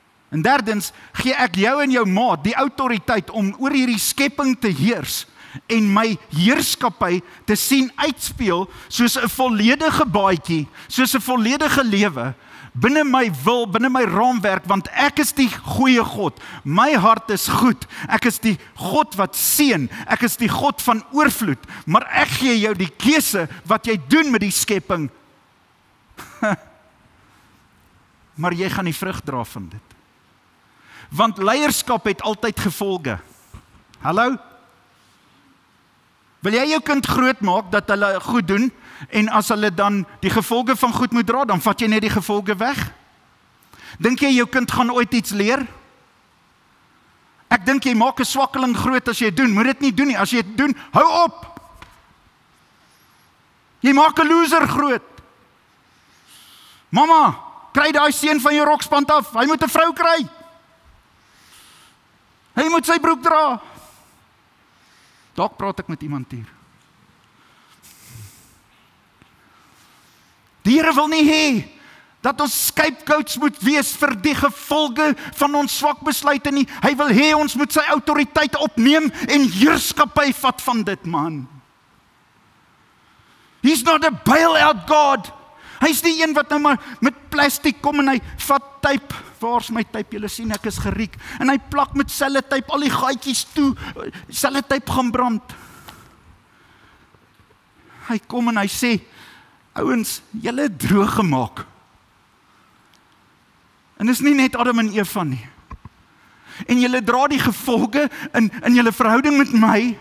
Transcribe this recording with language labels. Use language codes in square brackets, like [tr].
[af] En derdens, gee ek jou en jou maat die autoriteit om oor hierdie skepping te heers, en my heerskappy te sien uitspeel soos 'n volledige baadjie, soos 'n volledige lewe, binne my wil, binne my raamwerk, want ek is die goeie God. My hart is goed. Ek is die God wat seën. Ek is die God van oorvloed. Maar ek gee jou die keuse wat jy doen met die skepping. Maar jy gaan die vrug dra van dit. Want leierskap het altyd gevolge. Hallo? Wil jy jou kind groot maak dat hulle goed doen en as hulle dan die gevolge van goed moet dra, dan vat jy net die gevolge weg? Dink jy jou kind gaan ooit iets leer? Ek dink jy maak 'n swakkeling groot as jy doen. Moet dit nie doen nie. As jy dit doen, hou op. Jy maak 'n loser groot. Mama, kry daai seun van jou rokspand af. Hy moet 'n vrou kry. Hy moet sy broek dra. Dalk praat ek met iemand hier. Die Here wil nie hê dat ons scapegoats moet wees vir die gevolge van ons swak besluite nie. Hy wil hê ons moet sy autoriteit opneem en heerskappy vat van dit, man. [en] He's not a bailout God. [af] Hy is die een wat nou maar met plastic kom en hy vat type. Waar is my type? Julle sien, ek is geriek. En hy plak met sellotape al die gaatjies toe. Sellotape gaan brand. Hy kom en hy sê, ouens, julle het droog gemaak. En is nie net Adam en Eva nie. En julle dra die gevolge in julle verhouding met my.